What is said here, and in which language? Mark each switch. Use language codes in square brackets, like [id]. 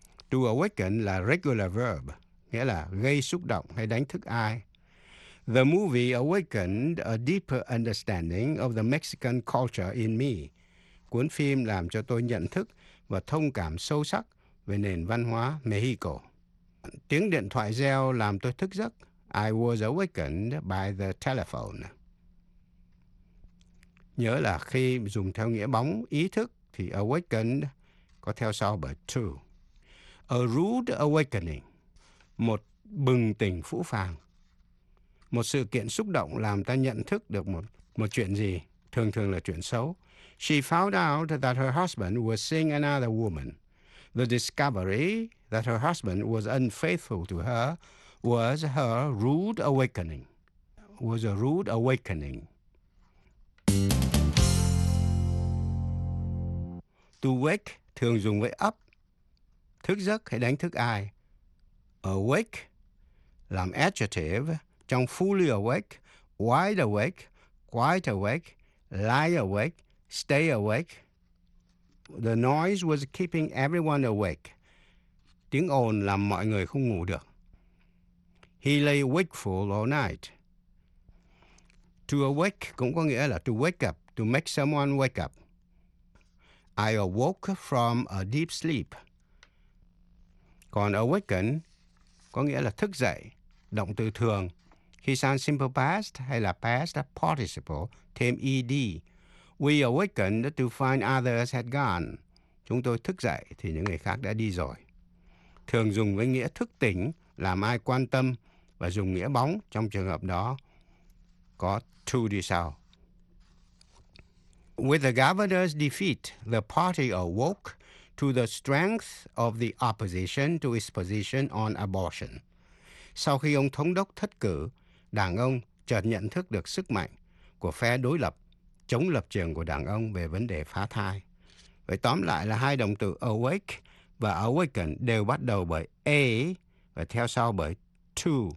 [vi] To awaken là regular verb, nghĩa là gây xúc động hay đánh thức ai. [en] The movie awakened a deeper understanding of the Mexican culture in me. [vi] Cuốn phim làm cho tôi nhận thức và thông cảm sâu sắc về nền văn hóa Mexico. Tiếng điện thoại reo làm tôi thức giấc. [en] I was awakened by the telephone. [vi] Nhớ là khi dùng theo nghĩa bóng, ý thức, thì awakened có theo sau bởi to. [en] A rude awakening, [vi] một bừng tỉnh phũ phàng. Một sự kiện xúc động làm ta nhận thức được một chuyện gì, thường thường là chuyện xấu. [en] She found out that her husband was seeing another woman. The discovery that her husband was unfaithful to her was her rude awakening. Was a rude awakening. [vi] To wake thường dùng với up, thức giấc hay đánh thức ai. Awake làm adjective trong fully awake, wide awake, quite awake, lie awake, stay awake. [en] The noise was keeping everyone awake. [vi] Tiếng ồn làm mọi người không ngủ được. [en] He lay wakeful all night. To awake [vi] cũng có nghĩa là [en] to wake up, to make someone wake up. I awoke from a deep sleep. [vi] Còn awaken có nghĩa là thức dậy, động từ thường. Khi sang simple past hay là past participle, thêm ed. [en] We awakened to find others had gone. [vi] Chúng tôi thức dậy thì những người khác đã đi rồi. Thường dùng với nghĩa thức tỉnh, làm ai quan tâm. Và dùng nghĩa bóng trong trường hợp đó có to đi sau. [en] With the governor's defeat, the party awoke to the strength of the opposition to its position on abortion. [vi] Sau khi ông thống đốc thất cử, đảng ông chợt nhận thức được sức mạnh của phe đối lập chống lập trường của đảng ông về vấn đề phá thai. Vậy tóm lại là hai động từ awake và awaken đều bắt đầu bởi a và theo sau bởi to.